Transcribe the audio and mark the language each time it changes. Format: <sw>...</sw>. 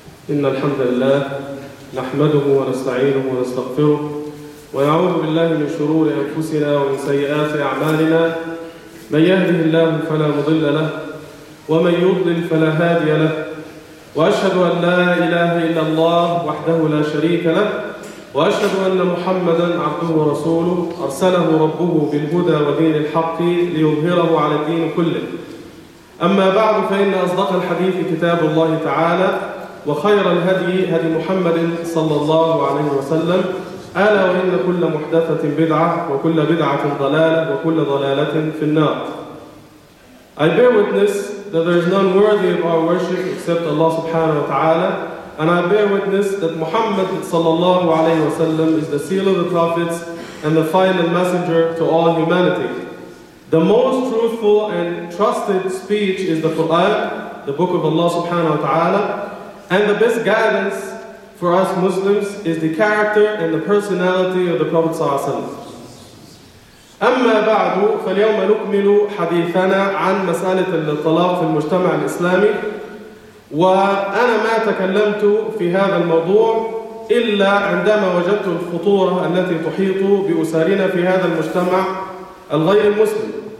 <ar>إن الحمد لله نحمده ونستعينه ونستغفره ونعوذ بالله من شرور أنفسنا ومن سيئات أعمالنا، من يهده الله فلا مضل له ومن يضلل فلا هادي له، وأشهد أن لا إله إلا الله وحده لا شريك له، وأشهد أن محمدًا عبده ورسوله أرسله ربه بالهدى ودين الحق ليظهره على الدين كله. أما بعد، فإن أصدق الحديث كتاب الله تعالى، وخير الهدي هدي محمد صلى الله عليه وسلم، ألا وإن كل محدثة بدعة وكل بدعة ضلالة وكل ضلالة في النار.</ar> <en>I bear witness that there is none worthy of our worship except Allah subhanahu wa ta'ala, and I bear witness that Muhammad</en> <ar>صلى الله عليه وسلم</ar> <en>is the seal of the prophets and the final messenger to all humanity. The most truthful and trusted speech is the Quran, the book of Allah subhanahu wa ta'ala, and the best guidance for us Muslims is the character and the personality of the Prophet</en> <ar>صلى الله عليه وسلم. أما بعد، فاليوم نكمل حديثنا عن مسألة الطلاق في المجتمع الإسلامي، وأنا ما تكلمت في هذا الموضوع إلا عندما وجدت الخطورة التي تحيط بأسرنا في هذا المجتمع الغير المسلم.</ar>